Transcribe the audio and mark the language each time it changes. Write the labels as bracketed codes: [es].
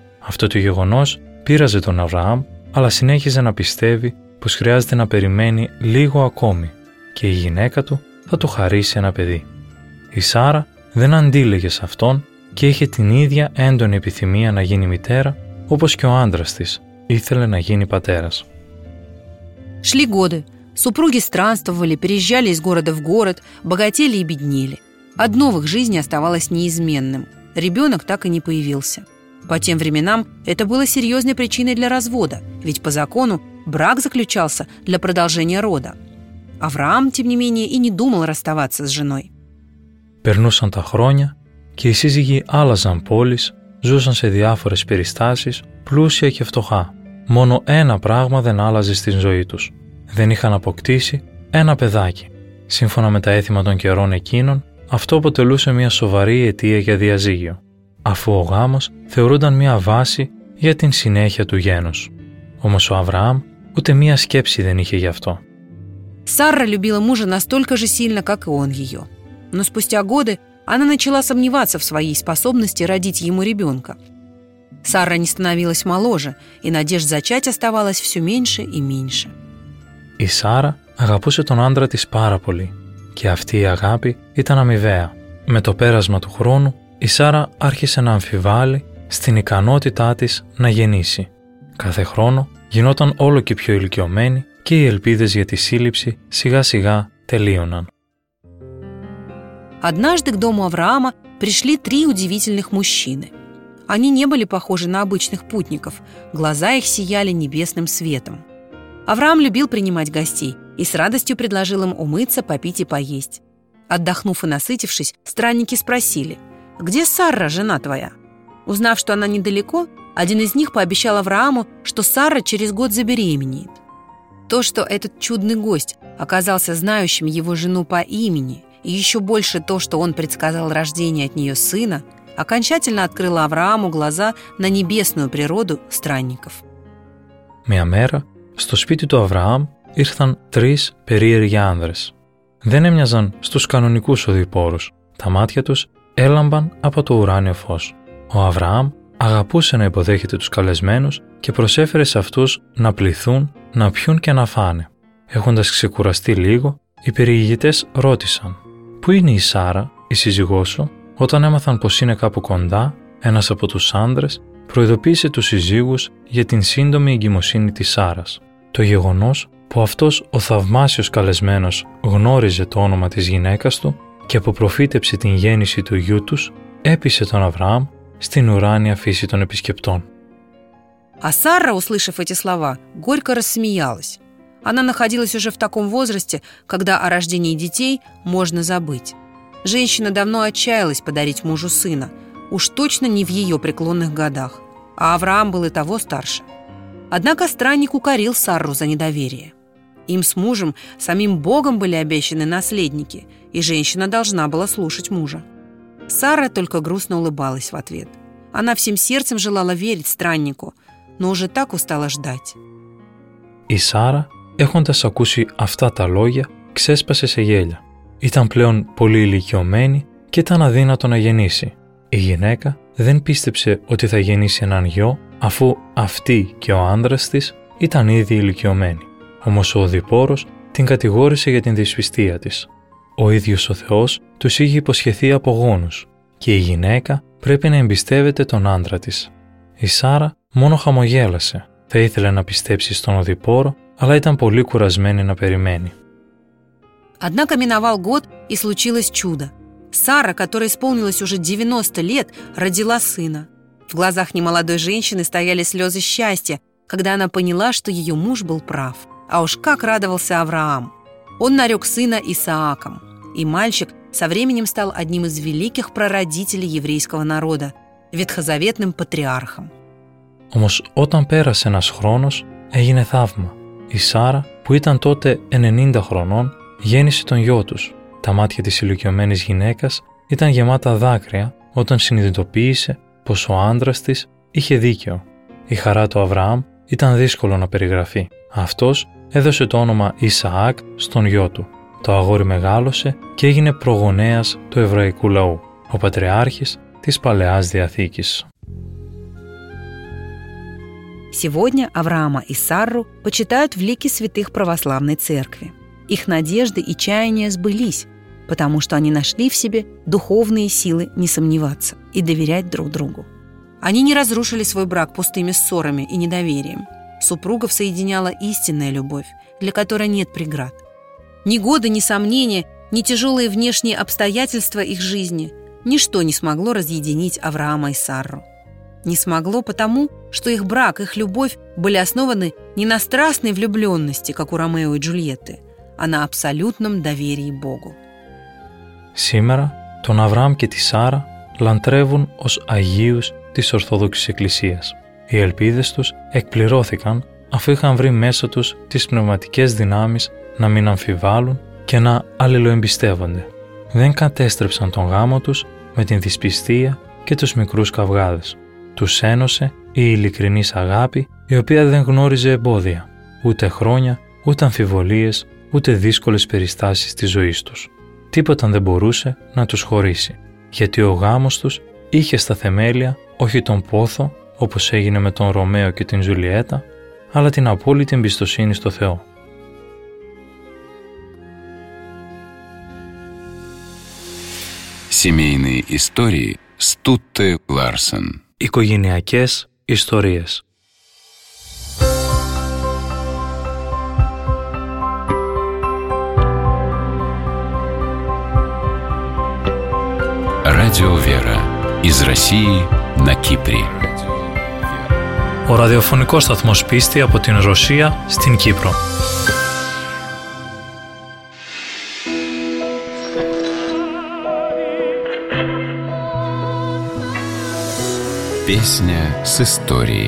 [el] Αυτό το γεγονός πείραζε τον Αβραάμ, αλλά συνέχιζε να πιστεύει πως χρειάζεται να περιμένει λίγο ακόμη και η γυναίκα του θα του χαρίσει ένα παιδί. Η Σάρα δεν αντίλεγε σε αυτόν και είχε την ίδια έντονη επιθυμία να γίνει μητέρα, όπως και ο άντρας της ήθελε να γίνει πατέρας. [ru] Шли годы. Супруги странствовали, переезжали из города в город, богатели и беднели. Одно в их жизни оставалось неизменным. Ребенок так и не появился. По тем временам это было серьезной причиной для развода, ведь по закону брак заключался для продолжения рода. Авраам, тем не менее, и не думал расставаться с женой. [el] Περνούσαν τα χρόνια και οι σύζυγοι άλλαζαν πόλεις, ζούσαν σε διάφορες περιστάσεις, πλούσια και φτωχά. Μόνο ένα πράγμα δεν άλλαζε στη ζωή τους. Δεν είχαν αποκτήσει ένα παιδάκι. Σύμφωνα με τα έθιμα των καιρών εκείνων, αυτό αποτελούσε μια σοβαρή αιτία για διαζύγιο, αφού ο γάμος θεωρούνταν μια βάση για την συνέχεια του γένους. Όμως ο Αβραάμ ούτε μία σκέψη δεν είχε γι' αυτό. [ru] Σάρα любила мужа настолько же сильно, как и он ее. Но спустя годы она начала сомневаться в своей способности родить ему ребенка. Сара не становилась моложе, и надежд зачать оставалось все меньше и меньше. [el] Η Σάρα αγαπούσε τον άντρα της πάρα πολύ και αυτή η αγάπη ήταν αμοιβαία. Με το πέρασμα του χρόνου, η Σάρα άρχισε να αμφιβάλλει στην ικανότητά της να γεννήσει. Κάθε χρόνο γινόταν όλο και πιο ηλικιωμένη και οι ελπίδες για τη σύλληψη σιγά σιγά τελείωναν. [ru] Однажды к дому Авраама пришли три удивительных мужчины. Они не были похожи на обычных путников, глаза их сияли небесным светом. Авраам любил принимать гостей и с радостью предложил им умыться, попить и поесть. Отдохнув и насытившись, странники спросили: «Где Сара, жена твоя?» Узнав, что она недалеко, один из них пообещал Аврааму, что Сара через год забеременеет. То, что этот чудный гость оказался знающим его жену по имени, и еще больше то, что он предсказал рождение от нее сына, окончательно открыло Аврааму глаза на небесную природу странников. [el] Мя мера, στο σπίτι του Αβραάμ ήρθαν τρεις περίεργοι άνδρες. Δεν έμοιαζαν στους κανονικούς οδηπόρους. Τα μάτια τους έλαμπαν από το ουράνιο φως. Ο Αβραάμ αγαπούσε να υποδέχεται τους καλεσμένους και προσέφερε σε αυτούς να πληθούν, να πιούν και να φάνε. Έχοντας ξεκουραστεί λίγο, οι περιηγητές ρώτησαν: «Πού είναι η Σάρα, η σύζυγός σου?» Όταν έμαθαν πως είναι κάπου κοντά, ένας από τους άνδρες προειδοποίησε τους συζύγους για την σύντομη εγκυμοσύνη της Σάρας. Το γεγονός που αυτός ο θαυμάσιος καλεσμένος γνώριζε το όνομα της γυναίκας του και αποπροφήτεψε την γέννηση του γιού τους, έπεισε τον Αβραάμ στην ουράνια φύση των επισκεπτών. [ru] А Сара, услышав эти слова, горько рассмеялась. Она находилась уже в таком возрасте, когда о рождении детей можно забыть. Женщина давно отчаялась подарить мужу сына, уж точно не в ее преклонных годах. А Авраам был и того старше. Однако странник укорил Сарру за недоверие. Им с мужем, самим Богом были обещаны наследники, и женщина должна была слушать мужа. Сара только грустно улыбалась в ответ. Она всем сердцем желала верить страннику, но уже так устала ждать. И [el] Сара, έχοντας ακούσει αυτά τα λόγια, ξέσπασε σε γέλια. Ήταν πλέον πολύ ηλικιωμένη και ήταν αδύνατο να γεννήσει. Η γυναίκα δεν πίστεψε ότι θα γεννήσει έναν γιο, αφού αυτή και ο άνδρας της ήταν ήδη ηλικιωμένοι. Όμως ο οδηπόρος την κατηγόρησε για την δυσπιστία της. Ο ίδιος ο Θεός τους είχε υποσχεθεί απογόνους και η γυναίκα πρέπει να εμπιστεύεται τον άντρα της. Η Σάρα μόνο χαμογέλασε. Θα ήθελε να πιστέψει στον οδηπόρο, αλλά ήταν πολύ κουρασμένη να περιμένει. [ru] Однако миновал год, и случилось чудо. Сара, которой исполнилось уже 90 лет, родила сына. В глазах немолодой женщины стояли слезы счастья, когда она поняла, что ее муж был прав. А уж как радовался Авраам! Он нарек сына Исааком. И мальчик со временем стал одним из великих прародителей еврейского народа, ветхозаветным патриархом. [el] Όμως όταν πέρασε ένας χρόνος, έγινε θαύμα. Η Σάρα, που ήταν τότε 90 χρονών, γέννησε τον γιο τους. Τα μάτια της ηλικιωμένης γυναίκας ήταν γεμάτα δάκρυα όταν συνειδητοποίησε πως ο άντρας της είχε δίκιο. Η χαρά του Αβραάμ ήταν δύσκολο να περιγραφεί. Αυτός έδωσε το όνομα Ισαάκ στον γιο του. Το αγόρι μεγάλωσε και έγινε προγονέας του εβραϊκού λαού, ο πατριάρχης της Παλαιάς Διαθήκης. [ru] Сегодня Авраама и Сарру почитают в лике святых православной церкви. Их надежды и чаяния сбылись, потому что они нашли в себе духовные силы не сомневаться и доверять друг другу. Они не разрушили свой брак пустыми ссорами и недоверием. Супругов соединяла истинная любовь, для которой нет преград. Ни годы, ни сомнения, ни тяжелые внешние обстоятельства их жизни – ничто не смогло разъединить Авраама и Сарру. Не смогло потому, что их брак, их любовь были основаны не на страстной влюбленности, как у Ромео и Джульетты, а на абсолютном доверии Богу. [el] Сегодня тон Авраам и Сара лантревун ос агиус της Ορθόδοξης Εκκλησίας. Οι ελπίδες τους εκπληρώθηκαν αφού είχαν βρει μέσα τους τις πνευματικές δυνάμεις να μην αμφιβάλλουν και να αλληλοεμπιστεύονται. Δεν κατέστρεψαν τον γάμο τους με την δυσπιστία και τους μικρούς καυγάδες. Τους ένωσε η ειλικρινής αγάπη, η οποία δεν γνώριζε εμπόδια, ούτε χρόνια, ούτε αμφιβολίες, ούτε δύσκολες περιστάσεις της ζωής τους. Τίποτα δεν μπορούσε να τους χωρίσει, γιατί ο γάμος τους είχε στα θεμέλια όχι τον πόθο, όπως έγινε με τον Ρωμαίο και την Ζουλιέτα, αλλά την απόλυτη εμπιστοσύνη στο Θεό. [ru] Семейные истории Стутте Ларсен. [el] Οικογενειακές ιστορίες. [ru] Радио Вера из России на Кипре. [el] Ο ραδιοφωνικός σταθμός πίστη από την Ρωσία στην Κύπρο. [ru] Песня с историей.